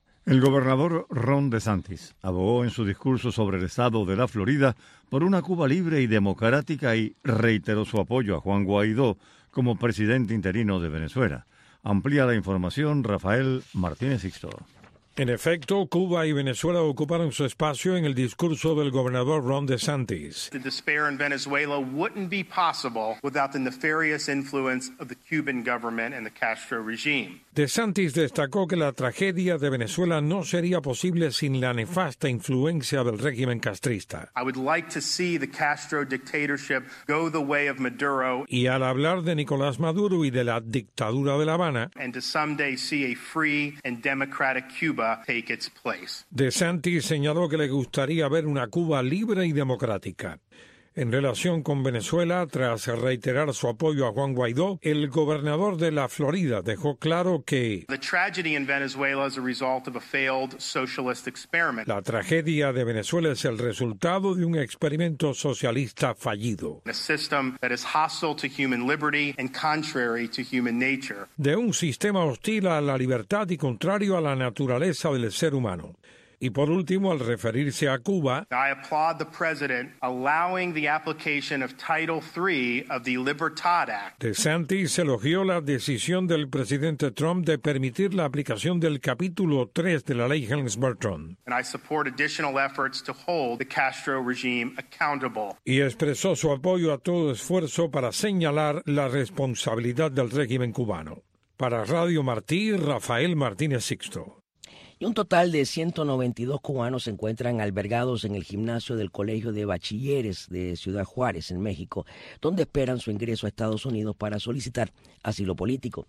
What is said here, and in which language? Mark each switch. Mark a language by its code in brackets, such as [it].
[es] El gobernador Ron DeSantis abogó en su discurso sobre el estado de la Florida por una Cuba libre y democrática y reiteró su apoyo a Juan Guaidó como presidente interino de Venezuela. Amplía la información Rafael Martínez Sixto. En efecto, Cuba y Venezuela ocuparon su espacio en el discurso del gobernador Ron DeSantis. [en] The despair in Venezuela wouldn't be possible without the nefarious influence of the Cuban government and the Castro regime. [es] DeSantis destacó que la tragedia de Venezuela no sería posible sin la nefasta influencia del régimen castrista. [en] I would like to see the Castro dictatorship go the way of Maduro. [es] Y al hablar de Nicolás Maduro y de la dictadura de La Habana, [en] and to someday see a free and democratic Cuba take its place. [es] DeSantis señaló que le gustaría ver una Cuba libre y democrática. En relación con Venezuela, tras reiterar su apoyo a Juan Guaidó, el gobernador de la Florida dejó claro que [en] the tragedy in Venezuela is a result of a failed socialist experiment. [es] La tragedia de Venezuela es el resultado de un experimento socialista fallido. [en] A system that is hostile to human liberty and contrary to human nature. [es] De un sistema hostil a la libertad y contrario a la naturaleza del ser humano. Y por último, al referirse a Cuba, [en] I applaud the president allowing the application of Title III of the Libertad Act. [es] DeSantis elogió la decisión del presidente Trump de permitir la aplicación del capítulo 3 de la ley Helms-Burton. [en] And I support additional efforts to hold the Castro regime accountable. [es] Y expresó su apoyo a todo esfuerzo para señalar la responsabilidad del régimen cubano. Para Radio Martí, Rafael Martínez Sixto. Y un total de 192 cubanos se encuentran albergados en el gimnasio del Colegio de Bachilleres de Ciudad Juárez, en México, donde esperan su ingreso a Estados Unidos para solicitar asilo político.